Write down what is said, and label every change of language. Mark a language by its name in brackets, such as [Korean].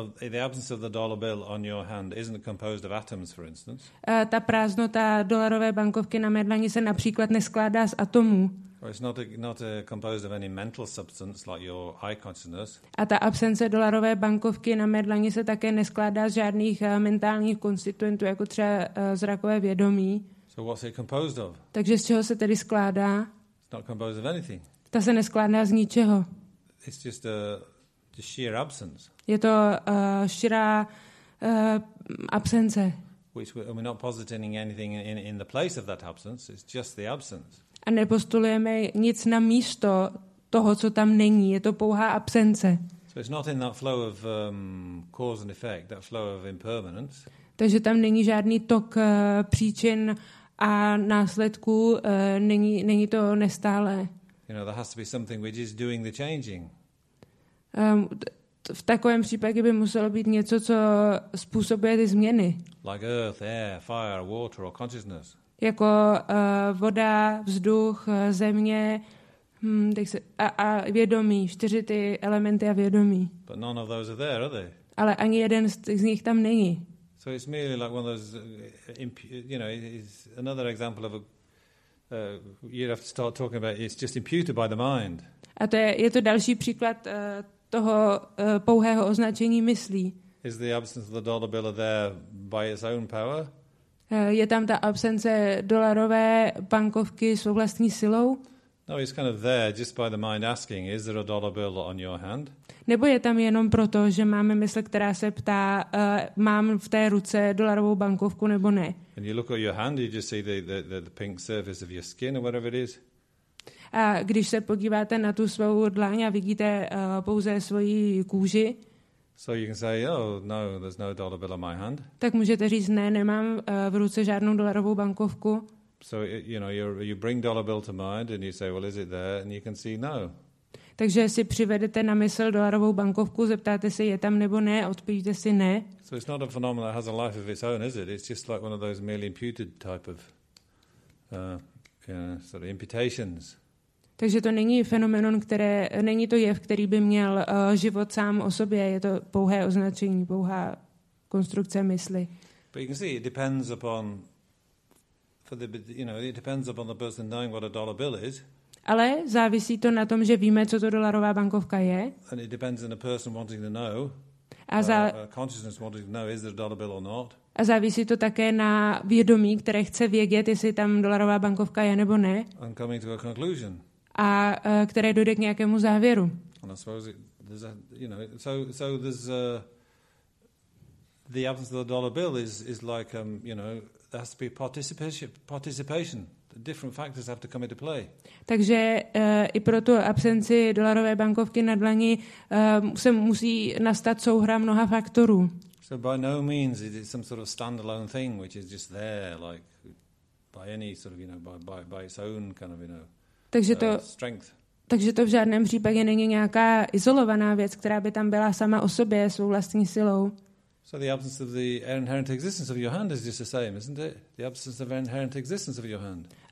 [English] The absence of the dollar bill on your hand isn't composed of atoms, for instance. [Czech] Ta prázdnota dolarové bankovky na mé dlani se například neskládá z atomů. [English] Or it's not composed of any mental substance like your eye consciousness. [Czech] A ta absence dolarové bankovky na mé dlani se také neskládá z žádných mentálních konstituentů, jako třeba zrakové vědomí. [English] So what's it composed of? [Czech] Takže z čeho se tedy skládá? [English] It's not composed of anything. [Czech] Ta se neskládá z ničeho. [English] It's just the sheer absence. [Czech] Je to širá absence. [English] Which we're not positing anything in the place of that absence. It's just the absence. [Czech] A nepostulujeme nic na místo toho, co tam není. Je to pouhá absence. [English] So it's not in that flow of cause and effect, that flow of impermanence. [Czech] Takže tam není žádný tok příčin a následků, není to nestálé. [English] You know, there has to be something which is doing the changing. [Czech] V takovém případě by muselo být něco, co způsobuje ty změny. [English] Like earth, air, fire, water or consciousness. [Czech] Jako voda, vzduch, země a vědomí, čtyři ty elementy a vědomí. [English] But none of those are there, are they? [Czech] Ale ani jeden z nich tam není. [English] So it's merely like one of those, you know, it's another example of a, you'd have to start talking about, it's just imputed by the mind. [Czech] A to je to další příklad toho pouhého označení myslí. [English] Is the absence of the dollar bill there by its own power? [Czech] Je tam ta absence dolarové bankovky svou vlastní silou? [English] No, it's kind of there just by the mind asking, is there a dollar bill on your hand? [Czech] Nebo je tam jenom proto, že máme mysl, která se ptá, mám v té ruce dolarovou bankovku nebo ne? [English] And you look at your hand, you just see the pink surface of your skin or whatever it is. [Czech] A když se podíváte na tu svou dlaň a vidíte pouze svoji kůži, [English] so you can say, oh no, there's no dollar bill on my hand. [Czech] Tak můžete říct, ne, nemám v ruce žádnou dolarovou bankovku. [English] So you know, you bring dollar bill to mind and you say, well, is it there? And you can see no. [Czech] Takže si přivedete na mysl dolarovou bankovku, zeptáte se, je tam nebo ne, odpovíte si ne. [English] So it's not a phenomenon that has a life of its own, is it? It's just like one of those merely imputed type of sort of imputations. [Czech] Takže to není fenomenon, které není to jev, který by měl život sám o sobě, je to pouhé označení, pouhá konstrukce mysli. [English] But you can see it depends upon it depends upon the person knowing what a dollar bill is. [Czech] Ale závisí to na tom, že víme, co to dolarová bankovka je. [English] And it depends on the person wanting to know. [Czech] A [English] consciousness wanting to know, is there a dollar bill or not? [Czech] A závisí to také na vědomí, které chce vědět, jestli tam dolarová bankovka je nebo ne. [English] And coming to a conclusion. [Czech] A které dojde k nějakému závěru. [English] And I suppose there's a, you know, so there's a, the absence of the dollar bill is like you know, there has to be participation. Different factors have to come into play. [Czech] Takže i pro tu absenci dolarové bankovky na dlani se musí nastat souhra mnoha faktorů. [English] So by no means is it some sort of standalone thing which is just there like by any sort of, you know, by its own kind of, you know. [Czech] Takže to [English] strength. [Czech] Takže to v žádném případě není nějaká izolovaná věc, která by tam byla sama o sobě svou vlastní silou. [English] So the absence of the inherent existence of your hand is just the same, isn't it? The absence of inherent existence of your hand.